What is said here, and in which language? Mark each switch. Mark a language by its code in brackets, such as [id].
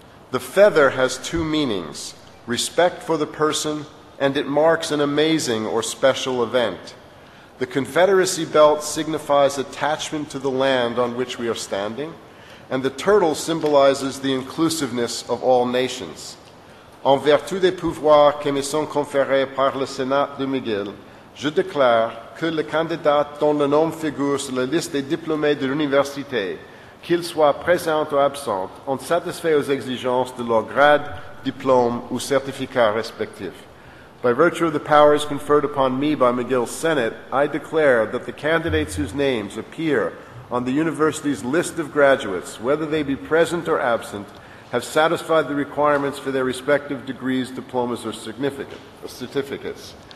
[en] The feather has two meanings: respect for the person, and it marks an amazing or special event. The Confederacy belt signifies attachment to the land on which we are standing, and the turtle symbolizes the inclusiveness of all nations. [fr] En vertu des pouvoirs qui me sont conférés par le Sénat de McGill, je déclare que le candidat dont le nom figure sur la liste des diplômés de l'université, qu'il soit présent ou absent, ont satisfait aux exigences de leur grade, diplôme ou certificat respectif. [en] By virtue of the powers conferred upon me by McGill's Senate, I declare that the candidates whose names appear on the university's list of graduates, whether they be present or absent, have satisfied the requirements for their respective degrees, diplomas, or certificates.